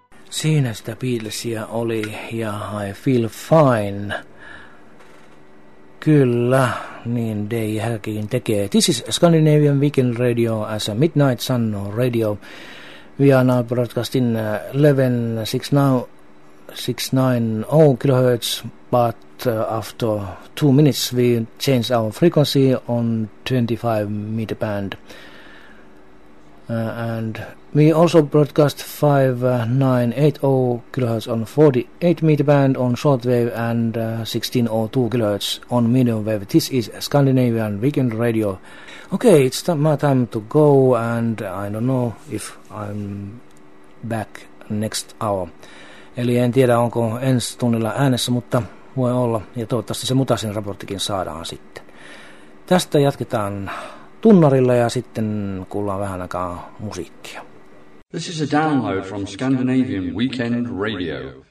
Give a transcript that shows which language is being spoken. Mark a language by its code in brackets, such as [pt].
[fi] Siinä sitä Beatlesia oli, ja I Feel Fine. Kyllä, niin Day Helgin tekee. [en] This is Scandinavian Weekend Radio as a Midnight Sun Radio. We are now broadcasting 11.690 kHz, but after 2 minutes we change our frequency on 25 meter band. And we also broadcast 5980 kHz on 48 meter band on shortwave and 1602 kHz on medium wave. This is Scandinavian Weekend Radio. Okay, it's my time to go, and I don't know if I'm back next hour. [fi] Eli en tiedä, onko ensi tunnilla äänessä, mutta voi olla, ja toivottavasti se mutasin raporttikin saadaan sitten. Tästä jatketaan tunnarilla ja sitten kuullaan vähän aikaa musiikkia. [en] This is a download from Scandinavian Weekend Radio.